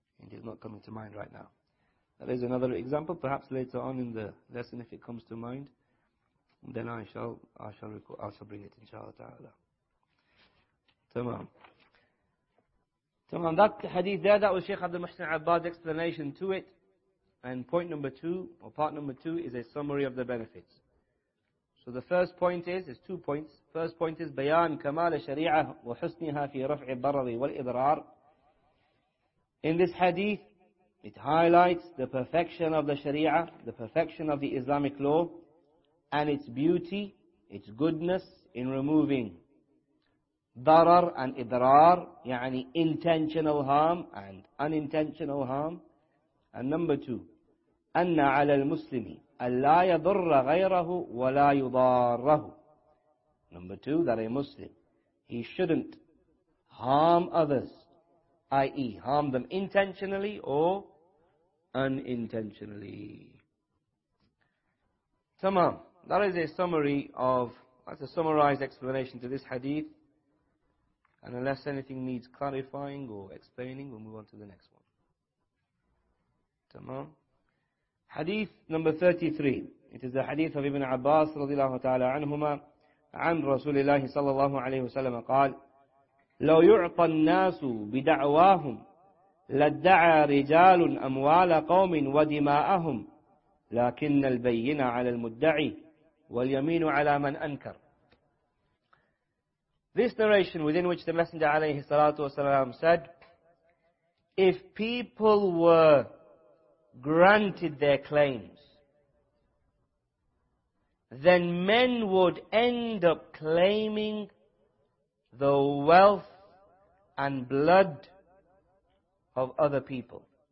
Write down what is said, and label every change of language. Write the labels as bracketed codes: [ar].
[en] It is not coming to mind right now. There is another example, perhaps later on in the lesson, if it comes to mind, then I shall bring it, inshallah ta'ala. Tamam. That hadith there, that was Shaykh Abdul Muhsin Abbad's explanation to it. And point number two, or part number two, is a summary of the benefits. So the first point is, there's two points. First point is, [ar] بيان كمال الشريعة وحسنها في رفع الضرر والإضرار. [en] In this hadith, it highlights the perfection of the Sharia, the perfection of the Islamic law, and its beauty, its goodness in removing darar and idrar, يعني intentional harm and unintentional harm. And number two, [ar] أن على المسلم ألا يضر غيره ولا يضاره. [en] Number two, that a Muslim, he shouldn't harm others, i.e. harm them intentionally or unintentionally. Tamam. That is a summary of, that's a summarized explanation to this hadith. And unless anything needs clarifying or explaining, we'll move on to the next one. Tamam. Hadith number 33. It is the hadith of Ibn Abbas radiallahu ta'ala anhuma [ar] عن رسول الله صلى الله عليه وسلم قال لو يعطى الناس بدعواهم لدعى رجال أموال قوم ودماءهم لكن البين على المدعي واليمين على من أنكر. [en] This narration, within which the Messenger [ar] عليه الصلاة والسلام [en] said, if people were granted their claims, then men would end up claiming the wealth and blood of other people.